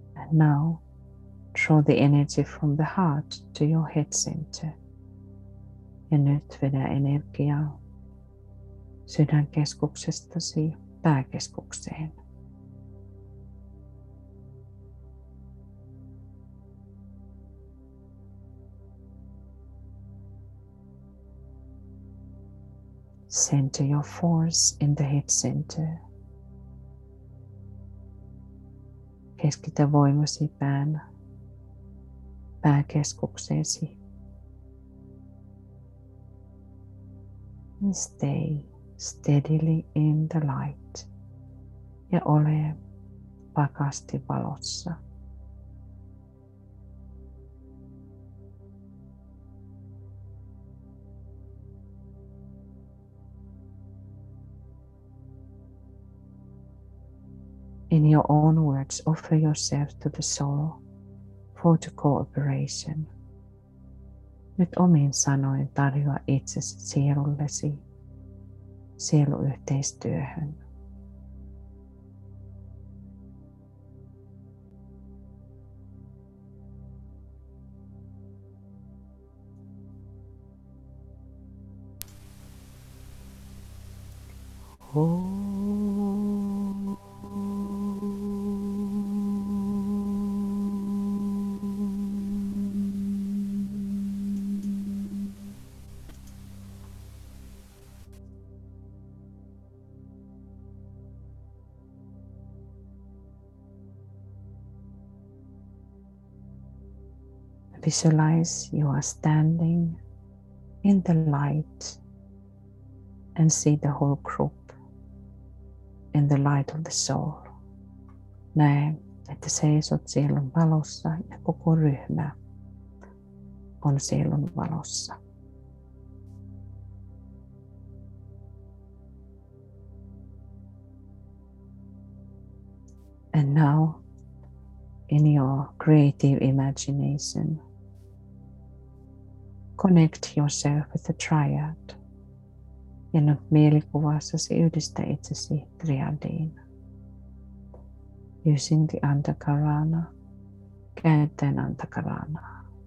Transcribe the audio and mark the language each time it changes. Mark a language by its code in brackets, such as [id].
[en] Now, draw the energy from the heart to your head center. [fi] Ja nyt vedä energiaa sydänkeskuksestasi pääkeskukseen. [en] Center your force in the head center. [fi] Keskitä voimasi pääkeskukseesi. [en] And stay steadily in the light. [fi] Ja ole vakaasti valossa. [en] In your own words, offer yourself to the soul for the cooperation. [fi] Nyt omin sanoin tarjoa itsesi sielullesi sieluyhteistyöhön. [en] Visualize you are standing in the light and see the whole group in the light of the soul. [fi] Näe, että seisot sielun valossa ja koko ryhmä on sielun valossa. [en] And now, in your creative imagination, connect yourself with the triad. [fi] Ja nyt mielikuvassasi yhdistä itsesi triadiin. [en] Using the antakarana, [fi] käyttäen antakaranaa.